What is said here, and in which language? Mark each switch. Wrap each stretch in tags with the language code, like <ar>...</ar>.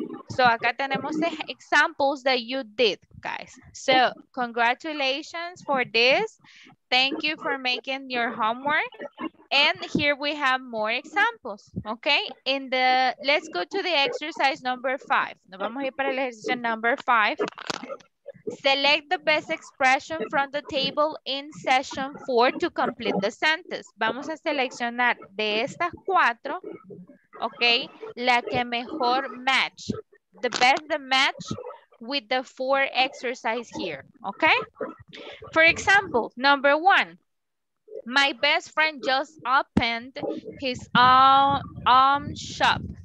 <en>So,</en> <es>acá tenemos</es> <en>examples that you did, guys. So, congratulations for this. Thank you for making your homework. And here we have more examples, okay? In the, let's go to the exercise number 5.</en> <es>Nos vamos a ir para el ejercicio number 5.</es> <en>Select the best expression from the table in session 4 to complete the sentence.</en> <es>Vamos a seleccionar de estas 4, okay, la que mejor match.</es> <en>The best the match with the 4 exercise here, okay? For example, number 1, my best friend just opened his own shop.</en>